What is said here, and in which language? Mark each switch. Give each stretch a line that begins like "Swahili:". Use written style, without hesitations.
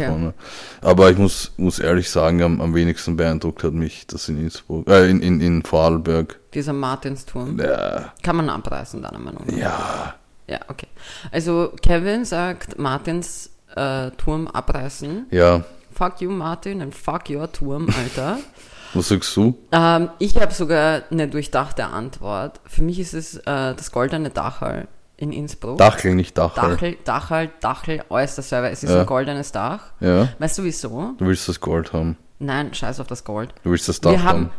German: davon. Ne. Aber ich muss ehrlich sagen, am wenigsten beeindruckt hat mich das in Innsbruck, in Vorarlberg. Dieser Martinsturm Ja. kann man abreißen, deiner Meinung nach. Ja. Ja, okay. Also Kevin sagt, Martins Turm abreißen. Ja.
English: Fuck you, Martin, and fuck your Turm, Alter.
German: Was sagst du? Ich habe sogar eine durchdachte Antwort. Für mich ist es das goldene Dachal in Innsbruck. Dachl, nicht Dachl. Dachel, Dachal, Dachel, äußerster Server. Es ist ein Ja. goldenes Dach. Ja. Weißt du wieso? Du willst das Gold haben. Nein, scheiß auf das Gold. Du willst das Wir Dach haben,